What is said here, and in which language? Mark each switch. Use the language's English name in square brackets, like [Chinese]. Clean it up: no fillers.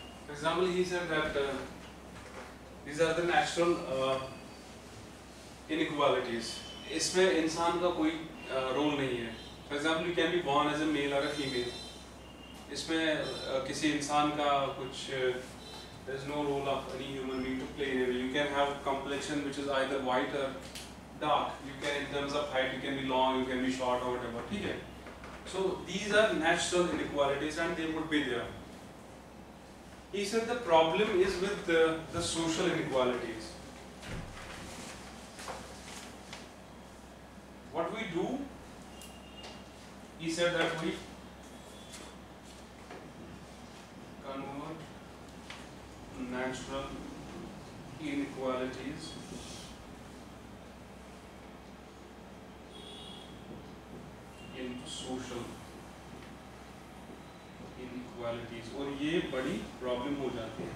[English] example, he said that these are the natural inequalities. [Hindi] इसमें इंसान का कोई रोल नहीं है. [English] For example, you can be born as a male or a female. [Hindi] इसमें किसी इंसान का कुछ [English] there is no role of any human being to play in it. You can have complexion which is either white or dark. You can, in terms of height, you can be long, you can be short or whatever. [Hindi] ठीक है. [English] So these are natural inequalities and they would be there. He said the problem is with the social inequalities. What we do, he said that we convert natural inequalities into social inequalities. [Hindi] और ये बड़ी problem हो जाती है.